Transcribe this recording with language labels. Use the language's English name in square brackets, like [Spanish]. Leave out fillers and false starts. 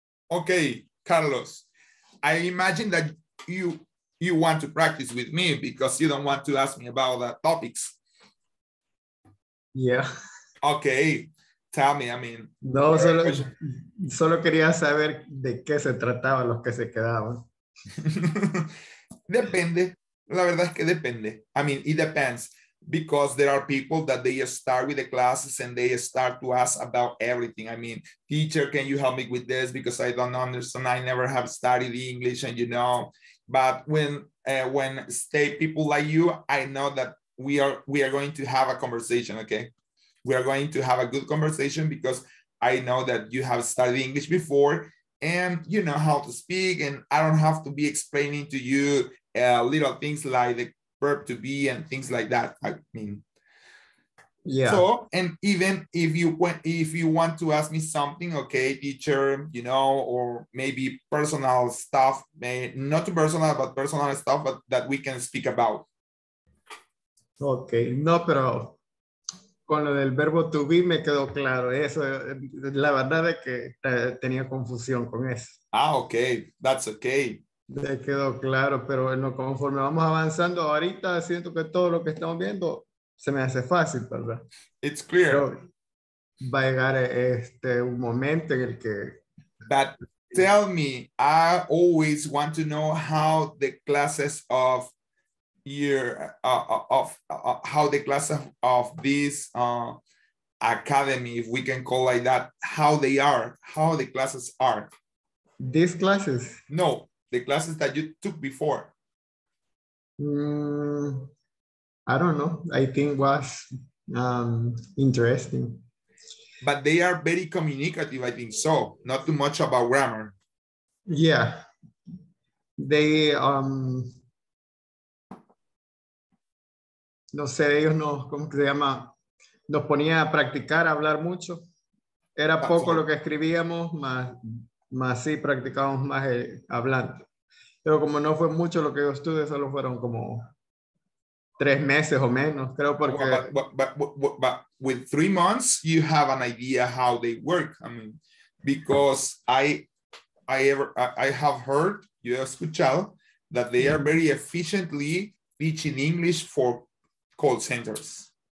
[English] Okay, Carlos, I imagine that you want to practice with me because you don't want to ask me about the topics. Yeah. Okay, tell me, I mean. [Spanish] No, solo quería saber de qué se trataba los que se quedaban. Depende, la verdad es que depende. [English] I mean, it depends because there are people that they start with the classes and they start to ask about everything. I mean, teacher, can you help me with this? Because I don't understand. I never have studied English and you know, but when stay people like you, I know that we are going to have a conversation, okay? We are going to have a good conversation because I know that you have studied English before and you know how to speak and I don't have to be explaining to you little things like the verb to be and things like that. I mean, yeah. So, and even if you want to ask me something, okay, teacher, you know, or maybe personal stuff, not personal, but personal stuff, but that we can speak about. [Spanish] Okay, no, pero con lo del verbo to be me quedó claro. Eso, la verdad es que tenía confusión con eso. [English] Ah, okay, that's okay. [Spanish] Me quedó claro, pero bueno, conforme vamos avanzando ahorita, siento que todo lo que estamos viendo se me hace fácil, ¿verdad? [English] It's clear. Pero [Spanish] va a llegar un momento en el que... [English] But tell me, I always want to know how the classes of your, how the classes of this academy, if we can call like that, how the classes are. These classes? No. The classes that you took before? I don't know. I think was interesting. But they are very communicative, I think so. Not too much about grammar. Yeah. They, [Spanish] no sé, ellos no, ¿cómo que se llama? Nos ponía a practicar, a hablar mucho. Era poco lo que escribíamos, más sí practicábamos más hablando. Pero como no fue mucho lo que yo estudié, solo fueron como 3 meses o menos, creo porque... [English] But with 3 months, you have an idea how they work. I mean, because I have heard, you have escuchado, that they are very efficiently teaching English for call centers.